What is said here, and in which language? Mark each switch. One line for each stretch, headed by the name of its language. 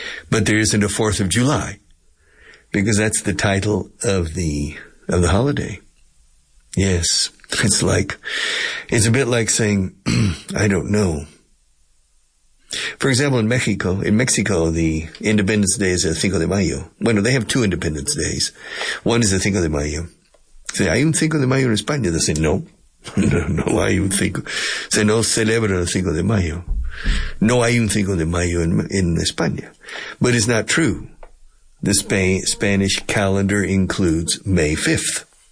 English: But there isn't a 4th of July. Because that's the title of the holiday. Yes, it's a bit like saying, I don't know. For example, in Mexico, the Independence Day is a Cinco de Mayo. Bueno, they have two Independence Days. One is the Cinco de Mayo.
Spanish: Say, ¿hay un Cinco de Mayo en España?
English: They say, no.
Spanish: No hay un Cinco. Say, no celebra el Cinco de Mayo. No hay un Cinco de Mayo in España.
English: But it's not true. The Spanish calendar includes May 5th.